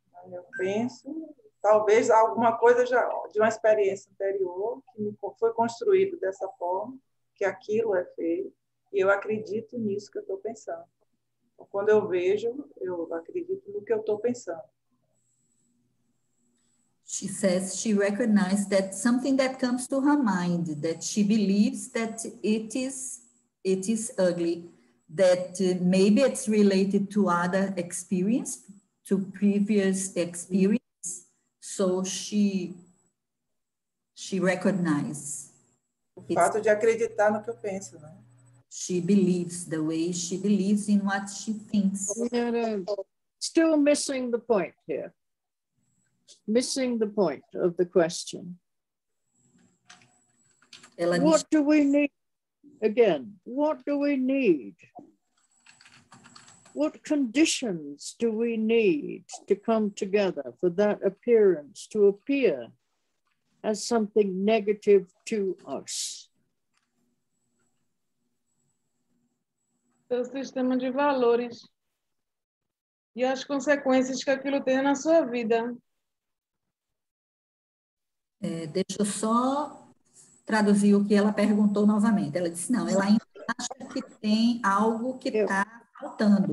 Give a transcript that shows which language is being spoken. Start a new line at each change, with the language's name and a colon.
Portuguese: Eu penso, talvez alguma coisa já, de uma experiência anterior que foi construído dessa forma, que aquilo é feio, e eu acredito nisso que eu estou pensando. Quando eu vejo, eu acredito no que eu estou pensando.
English: She says she recognized that something that comes to her mind, that she believes that it is ugly, that maybe it's related to other experience, to previous experience. So she recognizes.
Portuguese: O fato de acreditar no que eu penso, né?
English: She believes the way she believes in what she thinks. Still missing the point here. Missing the point of the question.
Portuguese: Ela
English: what do we need? Again, what do we need? What conditions do we need to come together for that appearance to appear as something negative to us?
Portuguese: Seu sistema de valores e as consequências que aquilo tem na sua vida. É, deixa eu só traduzir o que ela perguntou novamente. Ela disse, não, ela ainda acha que tem algo que está faltando.